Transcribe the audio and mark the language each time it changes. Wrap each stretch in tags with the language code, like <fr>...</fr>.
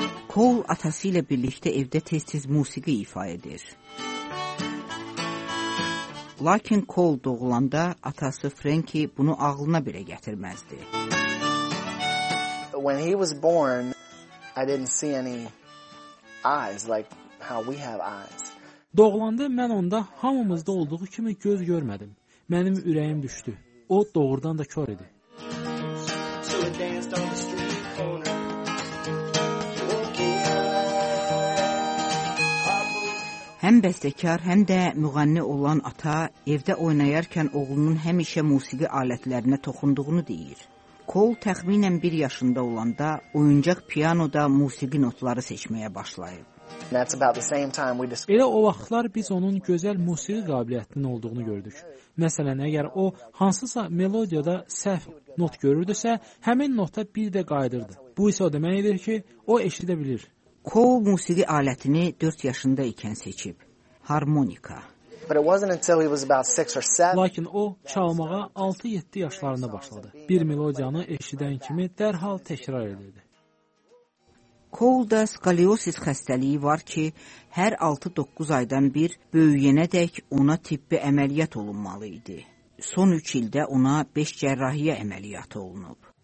<az>Cole atası ilə birlikdə evdə tez-tez musiqi ifa edir. Lakin Cole doğulanda atası Frankie bunu ağlına belə gətirməzdi.</az> <en>When he was born, I didn't see any eyes like how we have eyes.</en> <az>Doğulanda mən onda hamımızda olduğu kimi göz görmədim. Mənim ürəyim düşdü. O doğrudan da kör idi. Həm bəstəkar, həm də müğənni olan ata evdə oynayarkən oğlunun həmişə musiqi alətlərinə toxunduğunu deyir. Cole təxminən 1 yaşında olanda oyuncaq piyanoda musiqi notları seçməyə başlayıb. Elə o vaxtlar biz onun gözəl musiqi qabiliyyətinin olduğunu gördük. Məsələn, əgər o hansısa melodiyada səhv not görürdüsə, həmin nota bir də qayıdırdı. Bu isə o demək edir ki, o eşidə bilir. Cole musiqi alətini 4 yaşında ikən seçib. Harmonika.</az> <en>But it wasn't until he was about 6 or 7.</en> <az>Lakin o çalmağa 6-7 yaşlarında başladı. Bir melodiyanı eşidən kimi dərhal təkrar edirdi. Cole-da skoliosis xəstəliyi var ki, hər 6-9 aydan bir böyüyənədək ona tibbi əməliyyat olunmalı idi. Son 3 ildə ona 5 cərrahiyyə əməliyyatı olunub.</az>